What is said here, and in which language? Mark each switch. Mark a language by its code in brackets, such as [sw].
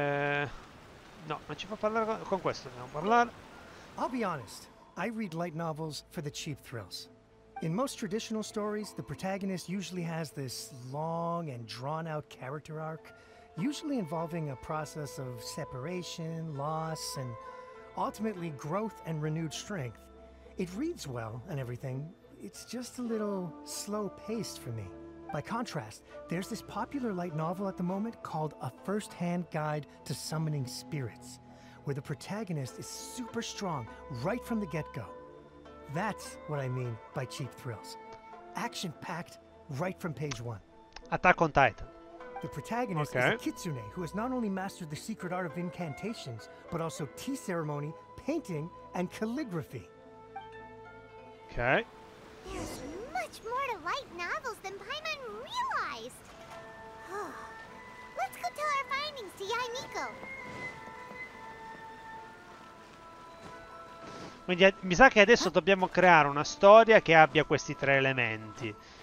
[it] No, non ci fa parlare con questo, dobbiamo parlare. [en] I'll be honest, I read light novels for the cheap thrills. In most traditional stories, the protagonist usually has this long and drawn-out character arc, usually involving a process of separation, loss, and ultimately growth and renewed strength. It reads well and everything, it's just a little slow-paced for me. By contrast, there's this popular light novel at the moment called A First-Hand Guide to Summoning Spirits, where the protagonist is super strong right from the get-go. That's what I mean by cheap thrills. Action-packed right from page one. Attack on Titan. The protagonist okay. is a kitsune who has not only mastered the secret art of incantations, but also tea ceremony, painting, and calligraphy. Okay. There's much more to light novels than Paimon realized. Let's go tell our findings to Yae Miko. [it] Quindi mi sa che adesso dobbiamo creare una storia che abbia questi tre elementi.